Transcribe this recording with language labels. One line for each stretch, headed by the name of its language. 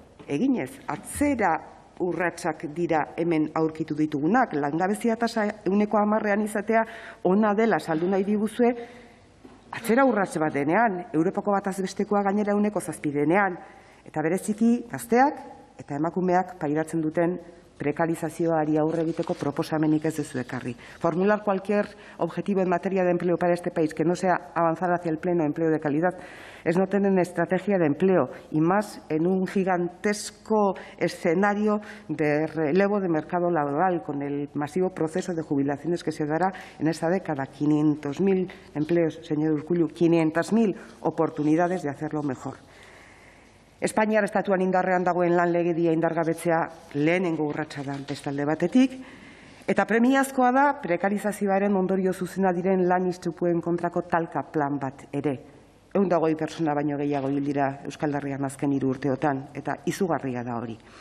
Basque: eginez, atzera urratsak dira hemen aurkitu ditugunak, langabezia tasa 110%-ean izatea ona dela saldu nahi diguzue, atzera urratxe bat denean, Europako bataz bestekoa gainera 107% denean, eta bereziki gazteak eta emakumeak pairatzen duten prekarizazioari aurre egiteko proposamenik ez duzu ekarri.
Spanish: Formular cualquier objetivo en materia de empleo para este país que no sea avanzar hacia el pleno empleo de calidad es no tener estrategia de empleo y más en un gigantesco escenario de relevo de mercado laboral con el masivo proceso de jubilaciones que se dará en esa década. 500.000 empleos, señor Urkullu, 500.000 oportunidades de hacerlo mejor.
Basque: Espainiar estatuan indarrean dagoen lan legedia indargabetzea lehenengo urratsa da bestalde batetik, eta premiazkoa da prekarizazioaren ondorio zuzena diren lan istripuen kontrako talka plan bat ere. 120 pertsona baino gehiago hil dira Euskal Herrian azken 3 urteotan, eta izugarria da hori.